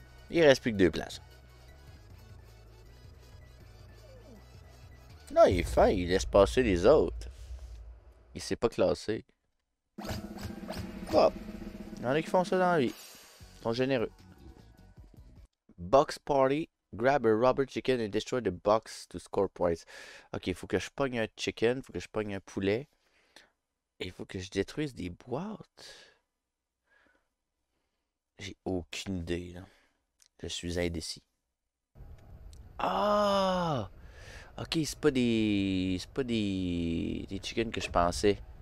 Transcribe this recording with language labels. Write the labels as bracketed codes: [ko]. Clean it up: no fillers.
[fr] Il reste plus que deux places. Non, il est fin. Il laisse passer les autres. Il s'est pas classé. Hop. Il y en a qui font ça dans la vie. Ils sont généreux. [en] box party, grab a rubber chicken and destroy the box to score points. [fr] Ok, il faut que je pogne un chicken, faut que je pogne un poulet. Il faut que je détruise des boîtes. J'ai aucune idée, là. Je suis indécis. Ah! Ok, c'est pas des chicken que je pensais.